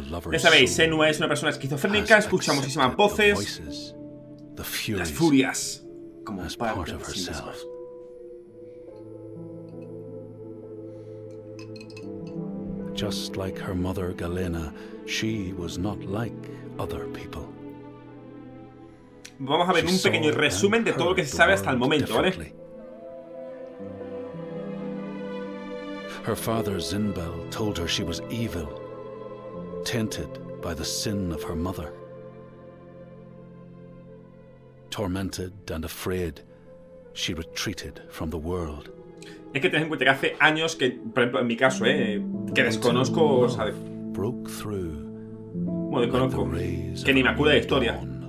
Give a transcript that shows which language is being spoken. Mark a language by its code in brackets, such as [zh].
[es] Ya sabéis, Senua es una persona esquizofrénica, escucha muchísimas voces, las furias, como parte de sí misma. [en] Just like her mother Galena, she was not like other people. [es] Vamos a ver un pequeño resumen de todo lo que se sabe hasta el momento, ¿vale? [en] Her father Zinbel told her she was evil, tainted by the sin of her mother. Tormented and afraid, she retreated from the world. [es] Es que tenés en cuenta que hace años que, por ejemplo, en mi caso, que desconozco, desconozco, que ni me acuerdo de la historia.